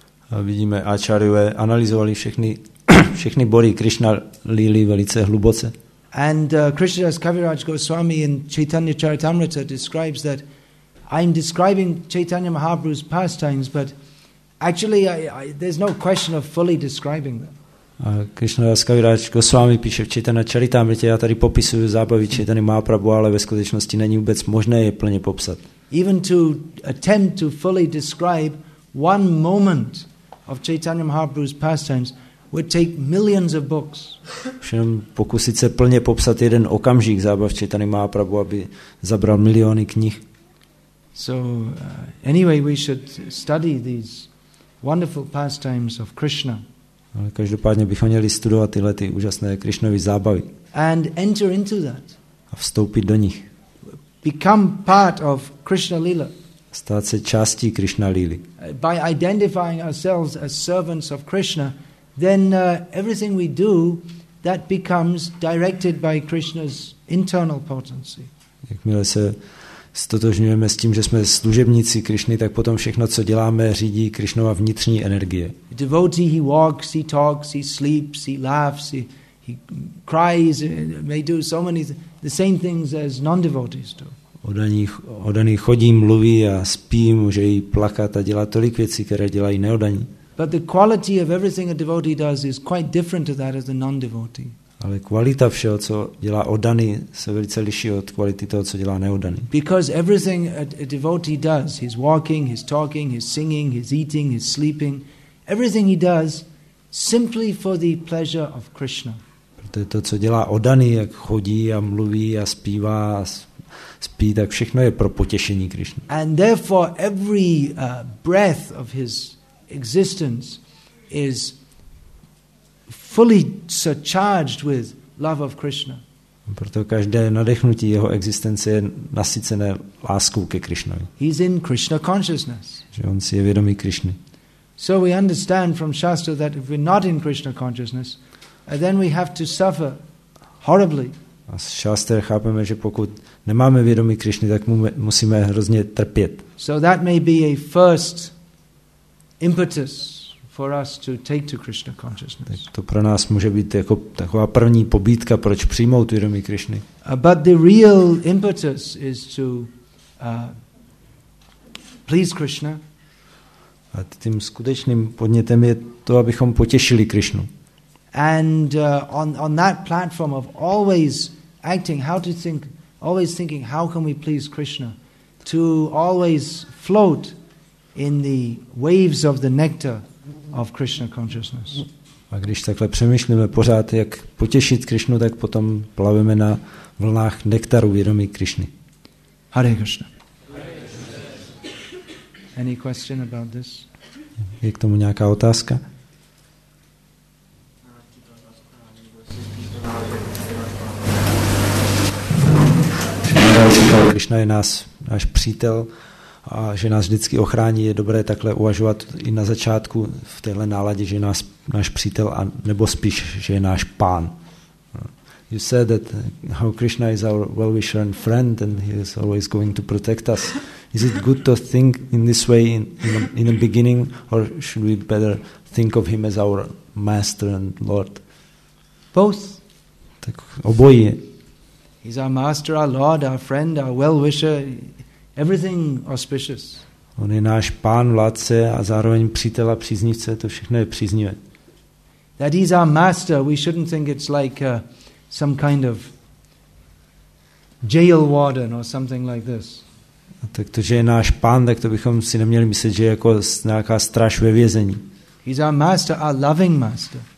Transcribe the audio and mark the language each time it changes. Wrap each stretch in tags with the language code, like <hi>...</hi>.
<cs>A vidíme, acharyové analyzovali všechny body Krishna Lily velice hluboce.</cs> <en>And Krishnadas Kaviraj Goswami in Chaitanya Charitamrita describes that I'm describing Chaitanya Mahaprabhu's pastimes, but actually there's no question of fully describing them.</en> <cs>A Krishnadas Kaviraj Goswami píše v Chaitanya Charitamrita, já tady popisuju zábavy Chaitanya Mahaprabhu, ale ve skutečnosti není vůbec možné je plně popsat.</cs> <en>Even to attempt to fully describe one moment of Chaitanya Mahaprabhu's pastimes would take millions of books.</en> <cs>Všem pokusit se plně popsat jeden okamžik zábav Chaitanya Mahaprabhu, aby zabral miliony knih.</cs> <en>So anyway, we should study these wonderful pastimes of Krishna.</en> <cs>Ale každopádně bychom měli studovat tyhle ty úžasné Krishnovy zábavy.</cs> <en>And enter into that.</en> <cs>A vstoupit do nich.</cs> <en>Become part of Krishna Lila.</en> <cs>Stát se částí Krishna Lily.</cs> <en>By identifying ourselves as servants of Krishna, then everything we do that becomes directed by Krishna's internal potency.</en> <cs>Jakmile se stotožňujeme s tím, že jsme služebníci Krishny, tak potom všechno, co děláme, řídí Krishnova vnitřní energie.</cs> <en>A devotee, he walks, he talks, he sleeps, he laughs, he cries, may do so many the same things as non-devotees do.</en> <cs>Odaní chodí, mluví a spí, může jí plakat a dělat tolik věcí, které dělají neodaní.</cs> <en>But the quality of everything a devotee does is quite different to that of the non-devotee.</en> <cs>Ale kvalita všeho, co dělá oddaný, se velice liší od kvality toho, co dělá neoddaný.</cs> <en>Because everything a devotee does, his walking, his talking, his singing, his eating, his sleeping, everything he does simply for the pleasure of Krishna.</en> <cs>Protože to, co dělá oddaný, jak chodí a mluví a zpívá a spí, tak všechno je pro potěšení Krishna.</cs> <en>And therefore every breath of his existence is fully surcharged with love of Krishna.</en> <cs>Proto každé nadechnutí jeho existence je nasycené láskou ke Krišnovi.</cs> <en>He's in Krishna consciousness.</en> <cs>Že on si je vědomý Krišny.</cs> <en>So we understand from Shastra that if we're not in Krishna consciousness, then we have to suffer horribly.</en> <cs>A z Shastra chápeme, že pokud nemáme vědomí Krišny, tak musíme hrozně trpět.</cs> <en>So that may be a first impetus for us to take to Krishna consciousness.</en> <cs>Tak to pro nás může být jako taková první pobídka, proč přijmout vědomí Krišny.</cs> <en>But the real impetus is to please Krishna.</en> <cs>A tím skutečným podnětem je to, abychom potěšili Krišnu.</cs> <en>And on that platform of always acting, how to think, always thinking, how can we please Krishna, to always float in the waves of the nectar of Krishna consciousness.</en> <cs>A když takhle přemýšlíme pořád, jak potěšit Krišnu, tak potom plaveme na vlnách nektaru vědomí Krišny.</cs> <en>Hare Krishna. Any question about this?</en> <cs>Je k tomu nějaká otázka? Krišna je náš přítel a že nás vždycky ochrání, je dobré takhle uvažovat i na začátku v téhle náladě, že je náš přítel a nebo spíš, že je náš pán.</cs> <en>You said that how Krishna is our well-wisher and friend and he is always going to protect us. Is it good to think in this way in the beginning or should we better think of him as our master and lord? Both.</en> <cs>Tak obojí.</cs> <en>He's our master, our lord, our friend, our well-wisher, everything auspicious.</en> <cs>On je náš pán, vládce a zároveň přítel a příznivce, to všechno je příznivé.</cs> <en>That he's our master, we shouldn't think it's like some kind of jail warden or something like this.</en> <cs>A tak to, že je náš pán, tak to bychom si neměli myslet, že je jako nějaká straš ve vězení.</cs> <en>He's our master, our loving master.</en>